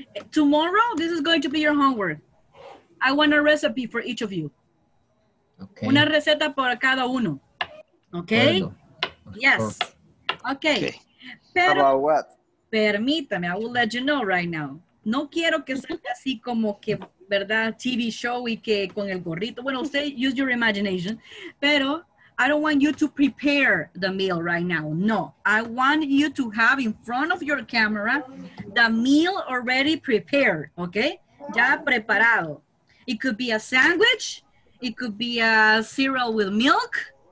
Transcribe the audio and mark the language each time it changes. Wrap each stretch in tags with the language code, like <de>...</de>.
<en>Tomorrow, this is going to be your homework. I want a recipe for each of you. Okay.</en> <es>Una receta para cada uno.</es> <en>Okay? Yes. Okay.</en> <es>Pero,</es> <en>about what?</en> <es>Permítame,</es> <en>I will let you know right now.</en> <es>No quiero que salga así como que, verdad,</es> <en>TV show</en> <es>y que con el gorrito. Bueno, usted,</es> <en>use your imagination.</en> <es>Pero</es> <en>I don't want you to prepare the meal right now. No, I want you to have in front of your camera the meal already prepared, okay?</en> <es>Ya preparado.</es> <en>It could be a sandwich. It could be a cereal with milk.</en>